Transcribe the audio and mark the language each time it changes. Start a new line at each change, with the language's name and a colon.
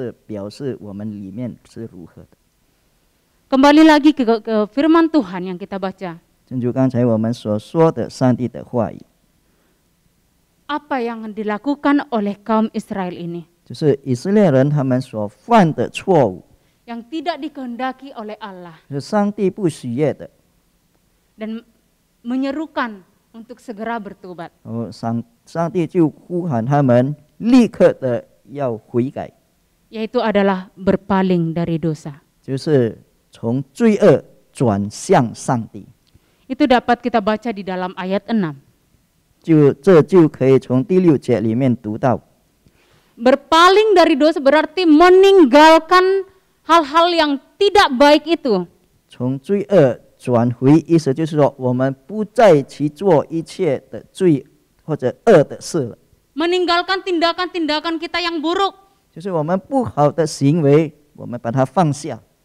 Chinese: 我们必须要守住我们的心，我们的言语，因为我们所发出来的这一切都是表示我们里面是如何的。
Indonesian: Kembali lagi ke firman Tuhan yang kita baca.
Chinese: 正如刚才我们所说的上帝的话语。
Indonesian: Apa yang dilakukan oleh kaum Israel ini?
Chinese: 就是以色列人他们所犯的错误,
Indonesian: yang tidak dikehendaki oleh Allah.
Chinese: 是上帝不喜悦的.
Indonesian: Dan menyerukan untuk segera bertobat.
Chinese: 上帝就呼喊他们立刻的要悔改.
Indonesian: Yaitu adalah berpaling dari dosa.
Chinese: 就是从罪恶转向上帝.
Indonesian: Itu dapat kita baca di dalam ayat 6.
Chinese: 这就可以从第六节里面读到.
Indonesian: Berpaling dari dosa berarti meninggalkan hal-hal yang tidak baik itu.
Chinese: 从罪恶转回, 意思就是说我们不再去做一切的罪或者恶的事了.
Indonesian: Meninggalkan tindakan-tindakan kita yang buruk.
Chinese: 就是我们不好的行为, 我们把它放下.